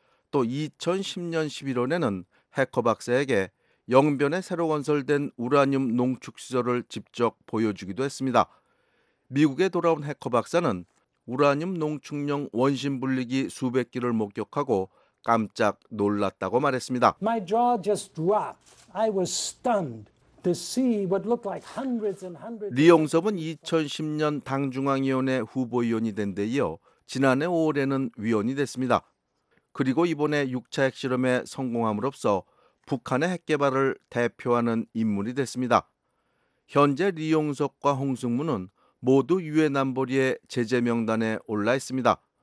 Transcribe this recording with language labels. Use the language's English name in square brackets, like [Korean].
[Korean] 또 2010년 11월에는 해커 박사에게 영변에 새로 건설된 우라늄 농축시설을 직접 보여주기도 했습니다. 미국에 돌아온 해커 박사는 우라늄 농축용 원심 분리기 수백 기를 목격하고 깜짝 놀랐다고 말했습니다. [English] My jaw just dropped. I was stunned to see what looked like hundreds and hundreds. [Korean] 리용섭은 2010년 당중앙위원회 후보위원이 된 데 이어 지난해 5월에는 위원이 됐습니다. 그리고 이번에 6차 핵실험에 성공함으로써 북한의 핵개발을 대표하는 인물이 됐습니다. 현재 리용섭과 홍승무는 모두 유엔 안보리의 제재 명단에 올라 있습니다.